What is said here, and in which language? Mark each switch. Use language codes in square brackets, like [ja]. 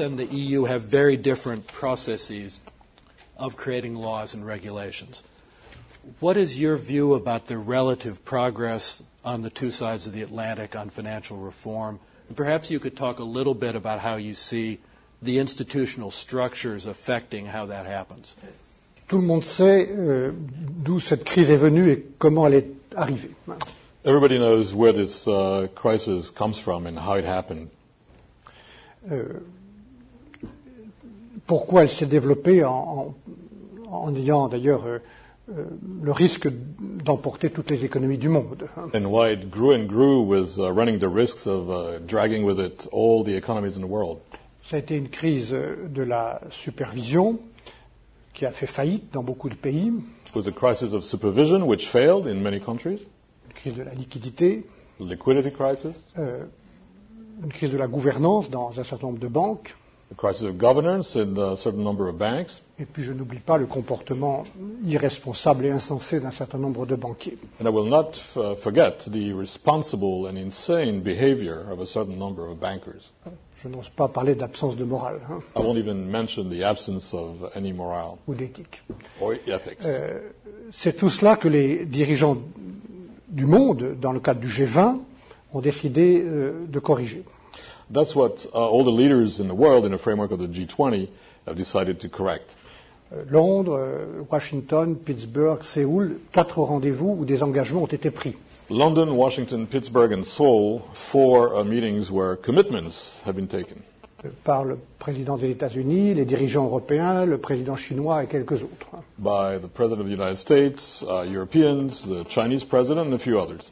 [en] and the EU have very different processes of creating laws and regulations. What is your view about the relative progress on the two sides of the Atlantic on financial reform? And perhaps you could talk a little bit about how you see the institutional structures affecting how that happens. [fr] Tout le monde sait d'où cette crise est venue et comment elle est arrivée. [en] Everybody knows where this crisis comes from and how it happened. [fr] Pourquoi elle s'est développée en ayant d'ailleurs le risque d'emporter toutes les économies du monde. [en] And why it grew and grew with running the risks of dragging with it all the economies in the world. [fr] Ça a été une crise de la supervision qui a fait faillite dans beaucoup de pays. [en] It was a crisis of supervision which failed in many countries. [fr] Une crise de la liquidité. [en] Liquidity crisis. [fr] Une crise de la gouvernance dans un certain nombre de banques. [en] A crisis of governance in a certain number of banks. [fr] Et puis je n'oublie pas le comportement irresponsable et insensé d'un certain nombre de banquiers. [en] And I will not forget the responsible and insane behavior of a certain number of bankers. [fr] Je n'ose pas parler d'absence de morale. [en] I won't even mention the absence of any morale. [fr] Ou d'éthique. [en] Or ethics. [fr] C'est tout cela que les dirigeants du monde, dans le cadre du G20, ont décidé de corriger. [en] That's what all the leaders in the world, in the framework of the G20, have decided to correct. [fr] Londres, Washington, Pittsburgh, Séoul, 4 rendez-vous où des engagements ont été pris. [en] London, Washington, Pittsburgh and Seoul, 4 meetings where commitments have been taken. [fr] Par le président des États-Unis, les dirigeants européens, le président chinois et quelques autres. [en] By the president of the United States, Europeans, the Chinese president and a few others.